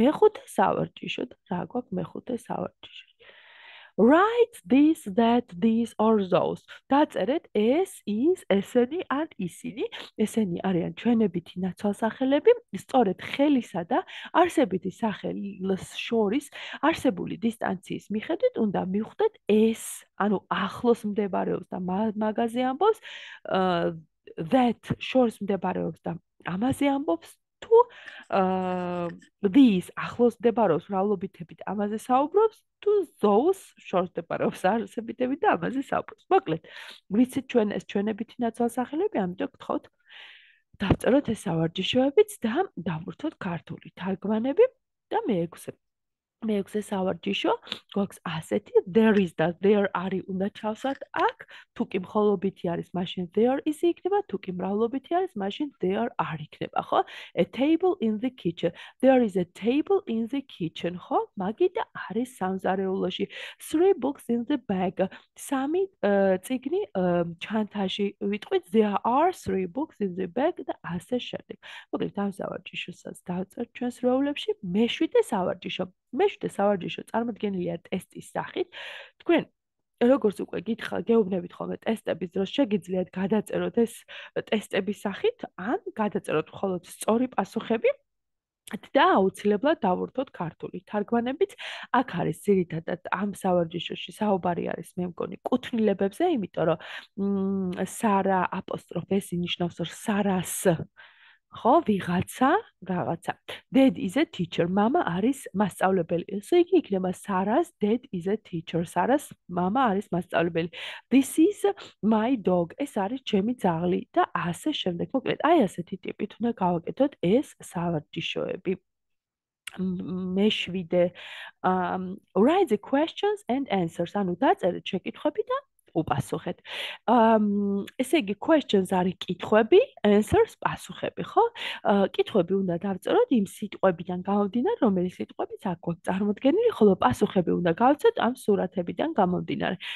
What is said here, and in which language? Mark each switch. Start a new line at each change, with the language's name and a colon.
Georgian: მეხუთე სავარჯიშო. რა გვაქვს მეხუთე სავარჯიშო?
English: Write this, that, these or those.
Georgian: დაწერეთ ეს, ის, ესენი ან ისინი. ესენი არიან ჩვენებითი ნაცვალსახელები. სწორედ ხელისა და არსებითი სახელის შორის არსებული დისტანციის მიხედვით უნდა მივხვდეთ ეს, ანუ ახლოს მდებარეობს და მაგაზე ამბობს, that შორს მდებარეობს და ამაზე ამბობს, თუ these ახლოს მდებარეობს მრავლობითებით ამაზე საუბრობს, თუ ზოუს შორს მდებარეობს არსებითები და ამაზე საუბრობს. მოკლედ, ვიცით ჩვენ ეს ჩვენებითი ნაცვალსახელები, ამიტომ გთხოვთ დავწეროთ ეს სავარჯიშოებიც და დავურთოთ ქართული თარგმანები. და მეექვსე სავარჯიშო გვაქვს ასეთი:
English: there is, that there are,
Georgian: უნდა ჩავსვათ აქ. თუ კი მხოლობითი არის, მაშინ
English: there is
Georgian: იქნება, თუ კი მრავლობითი არის, მაშინ
English: there are
Georgian: იქნება, ხო?
English: A table in the kitchen. There is a table in the kitchen, ხო?
Georgian: მაგი და არის სამზარეულოში.
English: Three books in the bag.
Georgian: სამი წიგნი ჩანთაში.
English: ვიტყვით, there are three books in the bag
Georgian: და ასე შემდეგ. მოკლედ ამ სავარჯიშოსაც დავწერთ ჩვენს რეულებში. მეშვიდე სავარჯიშო. მეშვიდე სავარჯიშო წარმოდგენილია ტესტის სახით. თქვენ როგორც უკვე გეუბნებით ხოლმე ტესტების დროს, შეგიძლიათ გადაწეროთ ეს ტესტების სახით ან გადაწეროთ მხოლოდ სწორი პასუხები და აუცილებლად დავურთოთ ქართული თარგმანებით. აქ არის ძირითადად ამ სავარჯიშოში საუბარი არის, მე მგონი, კუთვნილებებზე, იმიტომ რომ სარა აპოსტროფეს ნიშნავს სარას, ხო, ვიღაცა, რაღაცა.
English: Dad is a teacher.
Georgian: Мама არის მასწავლებელი. ესე იგი იქნება
English: Sara's dad is a teacher. Sara's
Georgian: мама არის მასწავლებელი.
English: This is my dog.
Georgian: ეს არის ჩემი ძაღლი და ასე შემდეგ. მოკლედ, აი ასეთი ტიპით უნდა გავაკეთოთ ეს სავარჯიშოები. მეშვიდე.
English: Write the questions and answers.
Georgian: ანუ დაწერეთ შეკითხვები და უპასუხეთ. ესე იგი, questions არის კითხვები, answers პასუხები, ხო? კითხვები უნდა დავწეროთ იმ სიტყვებიდან გამომდინარე, რომელი სიტყვებიც აქ გვაქვს წარმოდგენილი, ხოლო პასუხები უნდა გავცეთ ამ სურათებიდან გამომდინარე.